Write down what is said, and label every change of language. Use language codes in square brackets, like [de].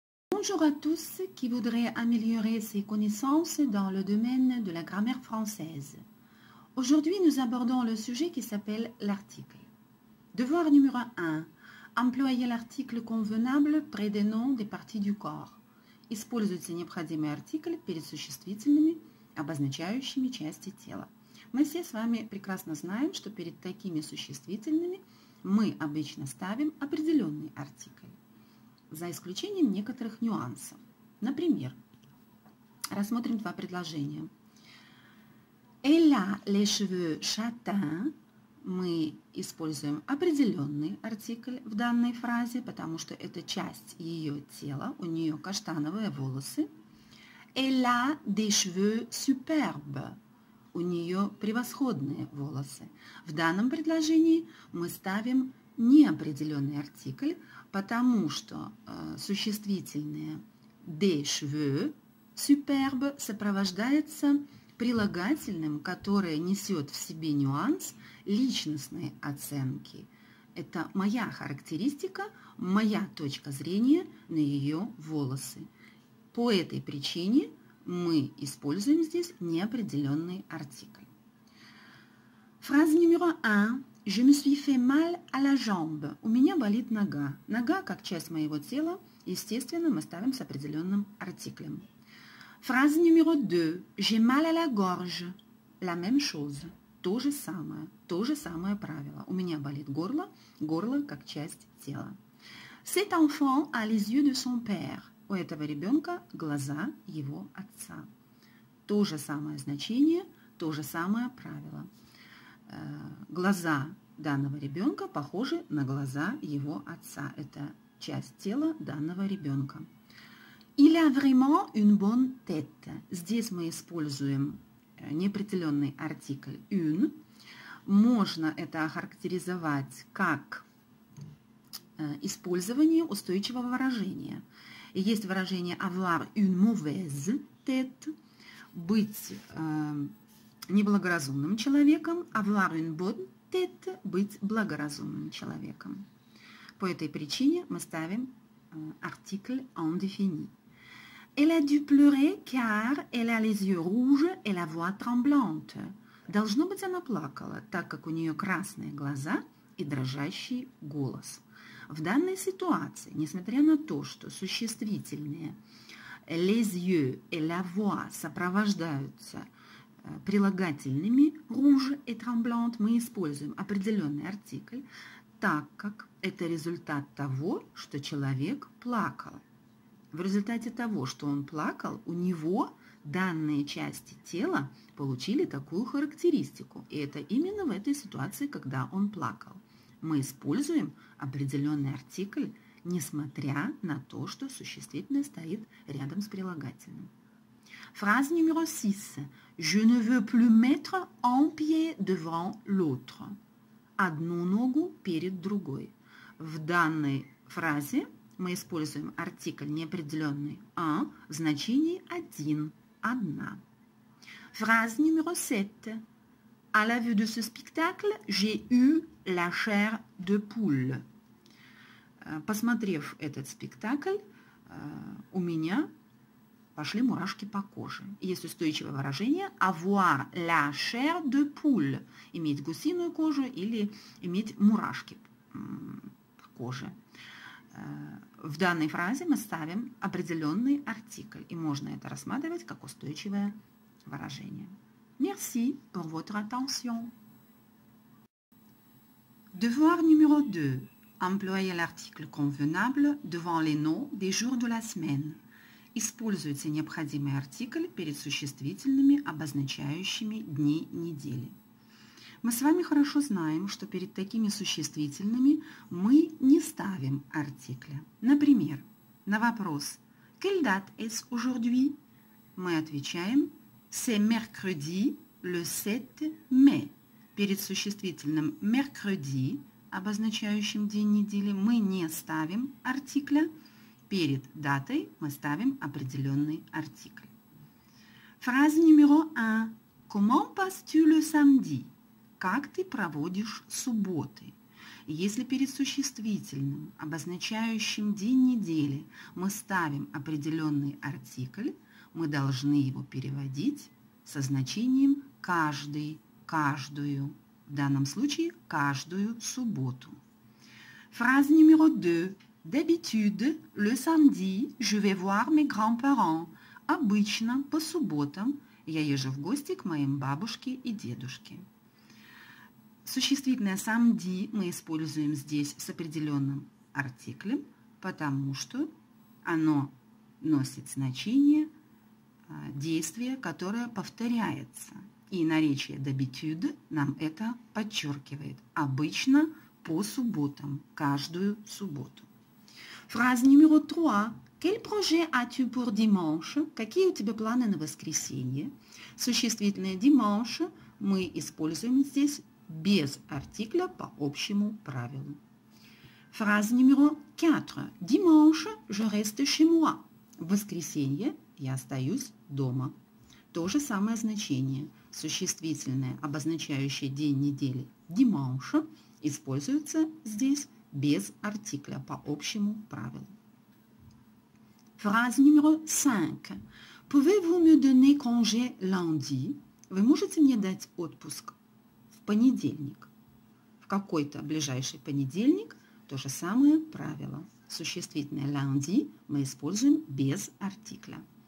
[fr] Bonjour à tous qui voudraient améliorer ses connaissances dans le domaine de la grammaire française. Aujourd'hui, nous abordons le sujet qui s'appelle l'article. Devoir numéro 1. Employer l'article convenable près des noms des parties du corps. [ru] Используйте необходимый артикль перед существительными, обозначающими части тела. Мы все с вами прекрасно знаем, что перед такими существительными мы обычно ставим определенный артикль. За исключением некоторых нюансов. Например, рассмотрим два предложения. [fr] Elle a les cheveux châtains. [ru] Мы используем определенный артикль в данной фразе, потому что это часть ее тела, у нее каштановые волосы. [fr] Elle a des cheveux superbes. [ru] У нее превосходные волосы. В данном предложении мы ставим неопределенный артикль, потому что существительное [fr] «des cheveux superbe» [ru] сопровождается прилагательным, которое несет в себе нюанс личностной оценки. Это моя характеристика, моя точка зрения на ее волосы. По этой причине мы используем здесь неопределенный артикль. Фраза номер 1. [fr] Je me suis fait mal à la jambe. [ru] У меня болит нога. Нога, как часть моего тела, естественно, мы ставим с определенным артиклем. Фраза номер 2. [fr] J'ai mal à la gorge. La même chose. [ru] То же самое. То же самое правило. У меня болит горло. Горло, как часть тела. [fr] Cet enfant a les yeux de son père. [ru] У этого ребенка глаза его отца. То же самое значение, то же самое правило. Глаза данного ребенка похожи на глаза его отца. Это часть тела данного ребенка. [fr] Il a vraiment une bonne tête. [ru] Здесь мы используем неопределенный артикль une. Можно это охарактеризовать как использование устойчивого выражения. Есть выражение [fr] avoir une mauvaise tête. [ru] Быть неблагоразумным человеком, [fr] avoir une bonne tête, [ru] быть благоразумным человеком. По этой причине мы ставим артикль en défini. [fr] Elle a dû pleurer car elle a les yeux rouges et la voix tremblante. [ru] Должно быть, она плакала, так как у нее красные глаза и дрожащий голос. В данной ситуации, несмотря на то, что существительные [fr] les yeux et la voix [ru] сопровождаются прилагательными [fr] rouge et tremblant, [ru] мы используем определенный артикль, так как это результат того, что человек плакал. В результате того, что он плакал, у него данные части тела получили такую характеристику. И это именно в этой ситуации, когда он плакал. Мы используем определенный артикль, несмотря на то, что существительное стоит рядом с прилагательным. Фраза номер 6. [fr] Je ne veux plus mettre un pied devant l'autre. [ru] Одну ногу перед другой. В данной фразе мы используем артикль неопределенный «а» в значении «один», «одна». Фраза номер 7. [fr] À la vue de ce spectacle, j'ai eu la chair de poule. [ru] Посмотрев этот спектакль, у меня пошли мурашки по коже. Есть устойчивое выражение [fr] avoir la chair de poule. [ru] Иметь гусиную кожу или иметь мурашки по коже. В данной фразе мы ставим определенный артикль. И можно это рассматривать как устойчивое выражение. [fr] Merci pour votre attention. Devoir numéro 2. Employer l'article convenable devant les noms des jours de la semaine. [ru] Используйте необходимый артикль перед существительными, обозначающими дни недели. Мы с вами хорошо знаем, что перед такими существительными мы не ставим артикля. Например, на вопрос [fr] «Quelle date est-ce aujourd'hui?» [ru] мы отвечаем [fr] «C'est mercredi le 7 mai». [ru] Перед существительным «mercredi», обозначающим день недели, мы не ставим артикля. Перед датой мы ставим определенный артикль. Фраза номер 1. [fr] Comment passes-tu le samedi? [ru] Как ты проводишь субботы? Если перед существительным, обозначающим день недели, мы ставим определенный артикль, мы должны его переводить со значением «каждый», «каждую», в данном случае «каждую субботу». Фраза номер 2. [fr] D'habitude, le samedi, je vais voir mes grands-parents. [ru] Обычно, по субботам, я езжу в гости к моим бабушке и дедушке. Существительное «самди» мы используем здесь с определенным артиклем, потому что оно носит значение действия, которое повторяется. И наречие «d'habitude» нам это подчеркивает. Обычно по субботам, каждую субботу. Фраза номер 3. [fr] Quel projet as-tu pour dimanche? [ru] Какие у тебя планы на воскресенье? Существительное dimanche мы используем здесь без артикля по общему правилу. Фраза номер 4. [fr] Dimanche, je reste chez moi. [ru] В воскресенье я остаюсь дома. То же самое значение. Существительное, обозначающее день недели dimanche, используется здесь без артикля по общему правилу. Фраза номер 5. [fr] Pouvez-vous me donner congé lundi? [ru] Вы можете мне дать отпуск в понедельник? В какой-то ближайший понедельник то же самое правило. Существительное lundi мы используем без артикля.